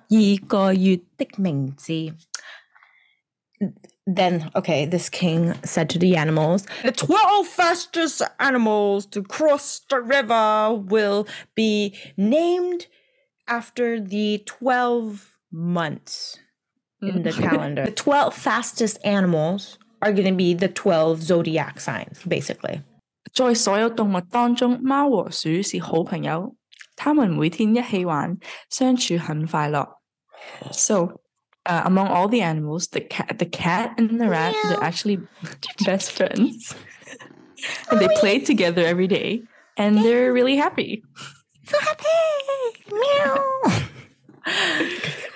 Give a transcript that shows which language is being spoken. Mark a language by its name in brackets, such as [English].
[Chinese] 最快过河到达终点的头十二种动物其名字将分别成为新年历十二个月的名字. [English] Then, okay, this king said to the animals, the 12 fastest animals to cross the river will be named after the 12 months in the calendar. The 12 fastest animals are going to be the 12 zodiac signs, basically. [Chinese] 在所有动物当中,猫和鼠是好朋友,他们每天一起玩,相处很快乐. [English] So, among all the animals, the cat and the rat, yeah, they're actually best friends. And they play together every day. And yeah, they're really happy. So happy! Meow!